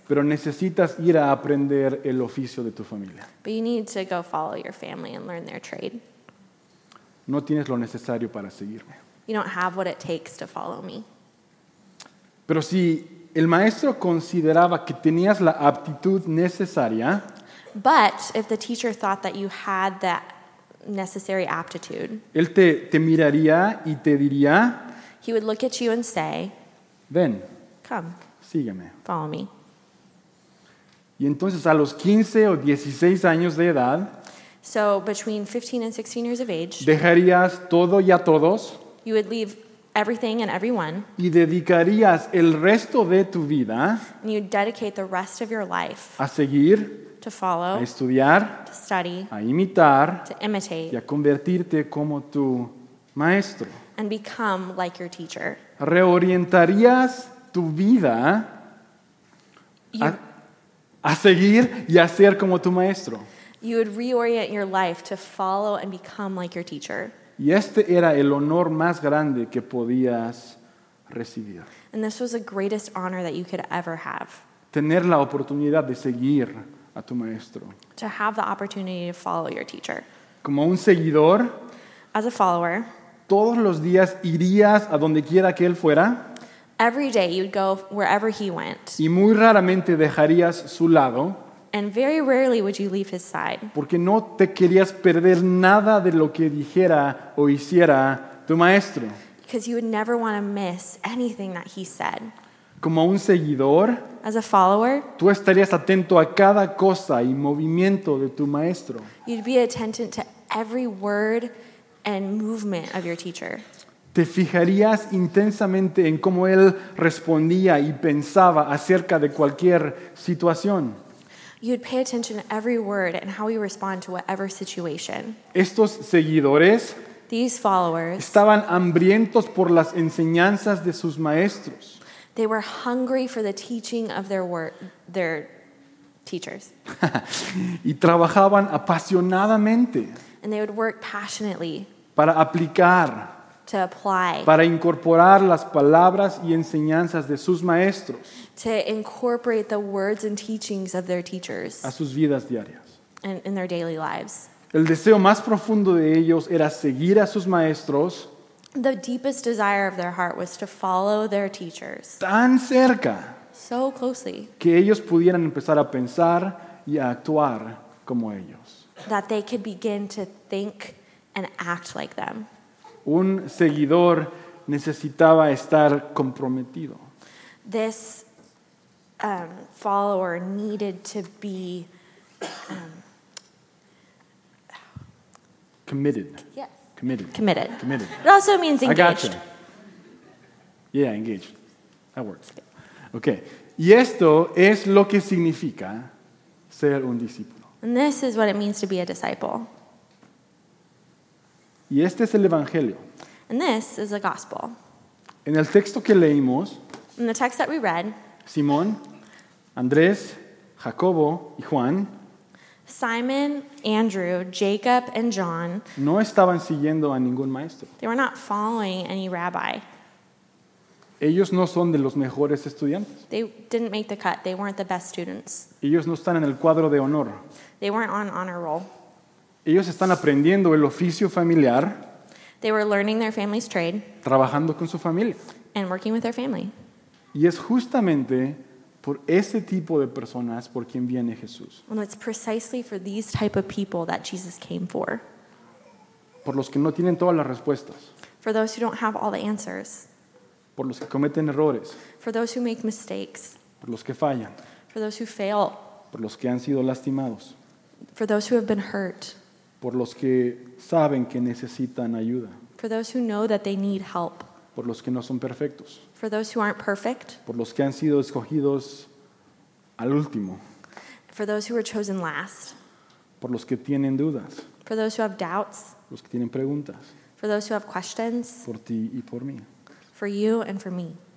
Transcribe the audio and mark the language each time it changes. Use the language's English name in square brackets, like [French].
[Spanish] Pero necesitas ir a aprender el oficio de tu familia. [English] But you need to go follow your family and learn their trade. [Spanish] No tienes lo necesario para seguirme. [English] You don't have what it takes to follow me. [Spanish] Pero si el maestro consideraba que tenías la aptitud necesaria, [English] but if the teacher thought that you had that necessary aptitude, [Spanish] él te miraría y te diría, [English] he would look at you and say, [Spanish] ven, [English] come, [Spanish] sígueme, [English] follow me. [Spanish] Y entonces a los 15 o 16 años de edad, [English] so between 15 and 16 years of age, [Spanish] dejarías todo y a todos, [English] you would leave everything and everyone, [Spanish] y dedicarías el resto de tu vida, [English] and you'd dedicate the rest of your life, [Spanish] a seguir, [English] to follow, [Spanish] a estudiar, [English] to study, [Spanish] a imitar, [English] to imitate, [Spanish] y a convertirte como tu maestro, [English] and become like your teacher. [Spanish] Reorientarías tu vida a seguir y a ser como tu maestro. [English] You would reorient your life to follow and become like your teacher. [Spanish] Y este era el honor más grande que podías recibir. [English] And this was the greatest honor that you could ever have. [Spanish] Tener la oportunidad de seguir a tu maestro. [English] To have the opportunity to follow your teacher. [Spanish] Como un seguidor, [English] as a follower, [Spanish] todos los días irías a donde quiera que él fuera. [English] Every day you'd go wherever he went. [Spanish] Y muy raramente dejarías su lado. [English] And very rarely would you leave his side. [Spanish] Porque no te querías perder nada de lo que dijera o hiciera tu maestro. [English] Because you would never want to miss anything that he said. [Spanish] Como un seguidor, [English] as a follower, [Spanish] tú estarías atento a cada cosa y movimiento de tu maestro. [English] You'd be attentive to every word and movement of your teacher. [Spanish] Te fijarías intensamente en cómo él respondía y pensaba acerca de cualquier situación. [English] You'd pay attention to every word and how he respond to whatever situation. [Spanish] Estos seguidores, [English] these followers, [Spanish] estaban hambrientos por las enseñanzas de sus maestros. [English] They were hungry for the teaching of their teachers. [Spanish] Y trabajaban apasionadamente. [English] And they would work passionately [Spanish] para aplicar, [English] to apply, [Spanish] para incorporar las palabras y enseñanzas de sus maestros, [English] to incorporate the words and teachings of their teachers, [Spanish] a sus vidas diarias, [English] and in their daily lives. [Spanish] El deseo más profundo de ellos era seguir a sus maestros, [English] the deepest desire of their heart was to follow their teachers, [Spanish] tan cerca, [English] so closely, [Spanish] que ellos pudieran empezar a pensar y a actuar como ellos. [English] That they could begin to think and act like them. [Spanish] Un seguidor necesitaba estar comprometido. [English] This follower needed to be committed. Yes. Committed. Committed. Committed. It also means engaged. I gotcha. Yeah, engaged. That works. Okay. [Spanish] Y esto es lo que significa ser un discípulo. [English] And this is what it means to be a disciple. [Spanish] Y este es el evangelio. [English] And this is the gospel. [Spanish] En el texto que leímos, [English] in the text that we read, [Spanish] Simón, Andrés, Jacobo y Juan, [English] Simon, Andrew, Jacob and John, [Spanish] no estaban siguiendo a ningún maestro. [English] They were not following any rabbi. [Spanish] Ellos no son de los mejores estudiantes. [English] They didn't make the cut. They weren't the best students. [Spanish] Ellos no están en el cuadro de honor. [English] They weren't on honor roll. [Spanish] Ellos están aprendiendo el oficio familiar. [English] They were learning their family's trade. [Spanish] Trabajando con su familia. [English] And working with their family. [Spanish] Y es justamente por ese tipo de personas por quien viene Jesús. [English] And it's precisely for these type of people that Jesus came for. [Spanish] Por los que no tienen todas las respuestas. [English] For those who don't have all the answers. [Spanish] Por los que cometen errores. [English] For those who make mistakes. [Spanish] Por los que fallan. [English] For those who fail. [Spanish] Por los que han sido lastimados. [English] For those who have been hurt. [Spanish] Por los que saben que necesitan ayuda. [English] For those who know that they need help. [Spanish] Por los que no son perfectos. [English] For those who aren't perfect. [Spanish] Por los que han sido escogidos al último. [English] For those who were chosen last. [Spanish] Por los que tienen dudas. [English] For those who have doubts. [Spanish] Los que tienen preguntas. [English] For those who have questions. [Spanish] Por ti y por mí. [English] For you and for me.